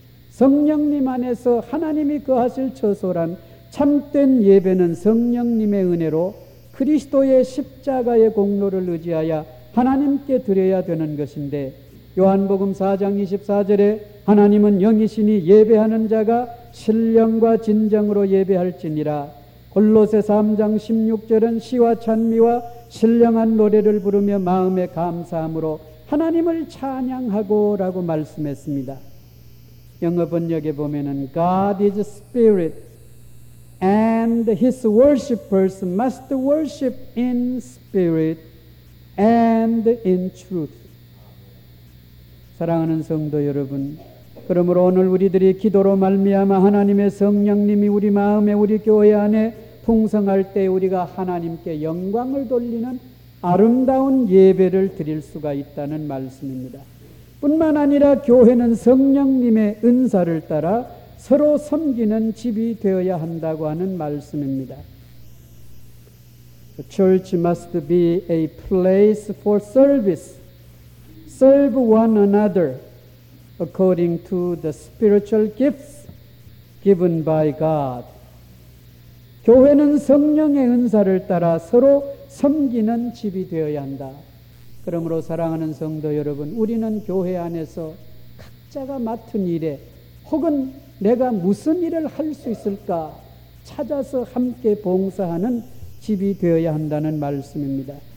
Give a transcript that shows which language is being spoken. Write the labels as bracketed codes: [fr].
[ko] 성령님 안에서 하나님이 거하실 처소란 참된 예배는 성령님의 은혜로 그리스도의 십자가의 공로를 의지하여 하나님께 드려야 되는 것인데 요한복음 4장 24절에 하나님은 영이시니 예배하는 자가 신령과 진정으로 예배할지니라. 골로새 3장 16절은 시와 찬미와 신령한 노래를 부르며 마음의 감사함으로 하나님을 찬양하고 라고 말씀했습니다. 영어 번역에 보면은 [en] God is spirit and his worshippers must worship in spirit and in truth. [ko] 사랑하는 성도 여러분, 그러므로 오늘 우리들이 기도로 말미암아 하나님의 성령님이 우리 마음에 우리 교회 안에 풍성할 때 우리가 하나님께 영광을 돌리는 아름다운 예배를 드릴 수가 있다는 말씀입니다. 뿐만 아니라 교회는 성령님의 은사를 따라 서로 섬기는 집이 되어야 한다고 하는 말씀입니다. [en] The church must be a place for service. Serve one another according to the spiritual gifts given by God. [ko] 교회는 성령의 은사를 따라 서로 섬기는 집이 되어야 한다. 그러므로 사랑하는 성도 여러분, 우리는 교회 안에서 각자가 맡은 일에 혹은 내가 무슨 일을 할 수 있을까 찾아서 함께 봉사하는 집이 되어야 한다는 말씀입니다.